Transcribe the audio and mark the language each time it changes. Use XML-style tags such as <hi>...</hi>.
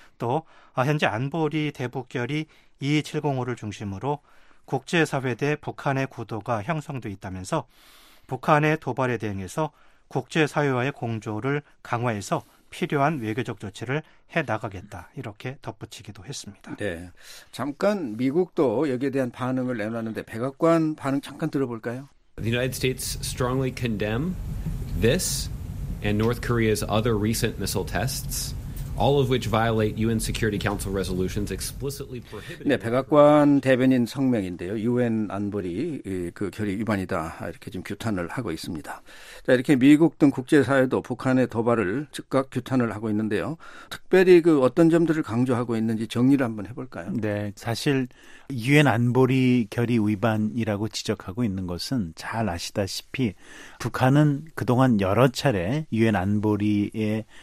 <ko>또 현재 안보리 대북결의 2705를 중심으로 국제사회 대 북한의 구도가 형성돼 있다면서 북한의 도발에 대응해서 국제사회와의 공조를 강화해서 필요한 외교적 조치를 해나가겠다 이렇게 덧붙이기도 했습니다. 네, 잠깐 미국도 여기에 대한 반응을 내놨는데 백악관 반응 잠깐 들어볼까요?</ko> <en>The United States strongly condemn this and North Korea's other recent missile tests, all of which violate UN Security Council resolutions explicitly prohibiting.</en> <ko>네, 백악관 대변인 성명인데요. UN 안보리 그 결의 위반이다 이렇게 지금 규탄을 하고 있습니다. 자, 이렇게 미국 등 국제사회도 북한의 도발을 즉각 규탄을 하고 있는데요. 특별히 그 어떤 점들을 강조하고 있는지 정리를 한번 해볼까요? 네, 사실 유엔 안보리 결의 위반이라고 지적하고 있는 것은 잘 아시다시피 북한은 그동안 여러 차례 유엔 안보리의</ko>